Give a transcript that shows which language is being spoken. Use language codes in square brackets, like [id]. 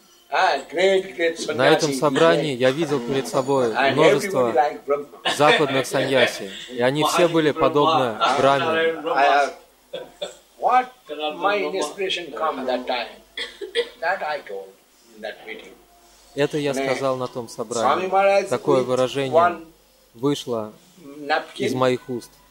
[ru] На этом собрании я видел перед собой множество западных саньяси, и они все были подобны Брахме. [en] What my inspiration come that time? That I told in that meeting. [ru] Это я сказал на том собрании. Такое выражение вышло из моих уст.